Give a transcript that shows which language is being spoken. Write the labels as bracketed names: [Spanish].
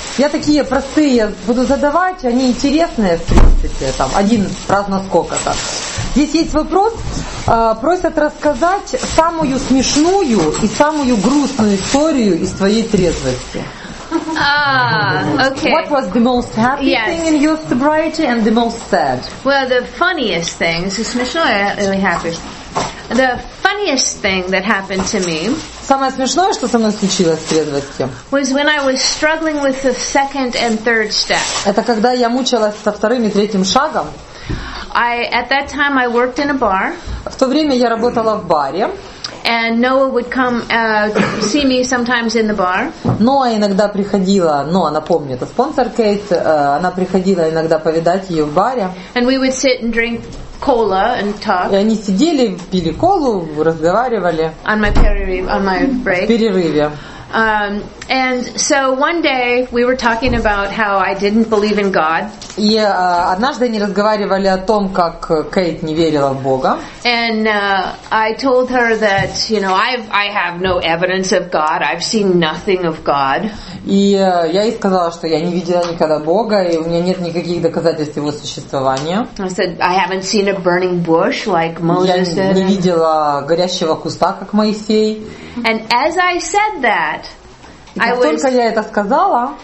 [Russian] Я такие простые буду задавать, они интересные, в принципе, там, один раз на сколько-то. Здесь есть вопрос, просят рассказать самую смешную и самую грустную историю из твоей трезвости. [English] Okay. What was the most happy yes. thing in your sobriety and the most sad? Well, the funniest thing, this is [Russian] смешное, [English] really happy. The funniest thing that happened to me. [Russian] Самое смешное, что со мной случилось в трезвости. [English] Was when I was struggling with the second and third step. [Russian] Это когда я мучилась со вторым и третьим шагом. [English] I at that time I worked in a bar. В то время я работала в баре. And Noah would come see me sometimes in the bar. [Russian] Ноа иногда приходила, но она помнит, это спонсор Кейт, она приходила иногда повидать ее в баре. [English] And we would sit and drink cola and talk. [Russian] И они сидели, пили колу, разговаривали. [English] On my perireve, on my break. [Russian] В перерыве. [English] And so one day we were talking about how I didn't believe in God. [Russian] И однажды они разговаривали о том, как Кейт не верила в Бога. [English] And I told her that, you know, I have no evidence of God. I've seen nothing of God. [Russian] И я ей сказала, что я не видела никогда Бога, и у меня нет никаких доказательств его существования. [English] I said I haven't seen a burning bush like Moses did. [Russian] Я не видела горящего куста, как Моисей. [English] And as I said that, [Russian] и как только я это сказала,